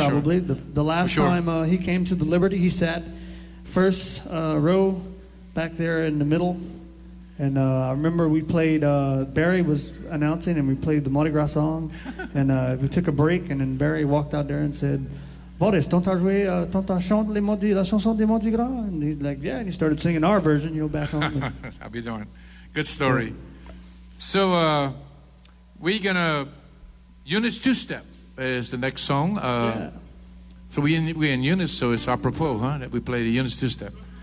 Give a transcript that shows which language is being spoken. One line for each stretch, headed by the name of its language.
English: probably. Sure. Probably. The last time he came to the Liberty, he sat first row back there in the middle. And I remember we played, Barry was announcing, and we played the Mardi Gras song. And we took a break, and then Barry walked out there and said,
French: Boris, t'entends chanter les mots de la chanson des Mardi Gras?
English: And he's like, yeah, and he started singing our version, you know, back home. I'll be darned. Good story. So we're going to, Eunice Two-Step is the next song. So we're in Eunice, so it's apropos, huh, that we play the Eunice Two-Step.